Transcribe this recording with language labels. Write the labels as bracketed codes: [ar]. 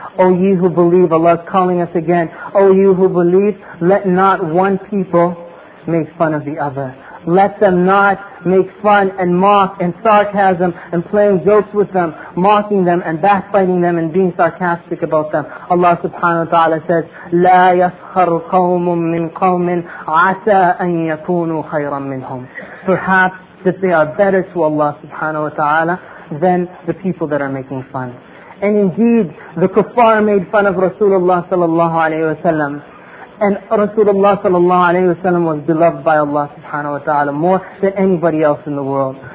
[en] O ye who believe, Allah is calling us again, O you who believe, let not one people make fun of the other. Let them not make fun and mock and sarcasm and playing jokes with them, mocking them and backbiting them and being sarcastic about them. Allah subhanahu wa ta'ala says, [ar] لَا يَسْخَرُ قَوْمٌ مِّن قَوْمٍ عَسَىٰ أَن يَكُونُوا خَيْرًا مِّنْهُمْ. [en] Perhaps that they are better to Allah subhanahu wa ta'ala than the people that are making fun. And indeed, the kuffar made fun of Rasulullah sallallahu alayhi wa sallam. And Rasulullah sallallahu alayhi wa sallam was beloved by Allah subhanahu wa ta'ala more than anybody else in the world.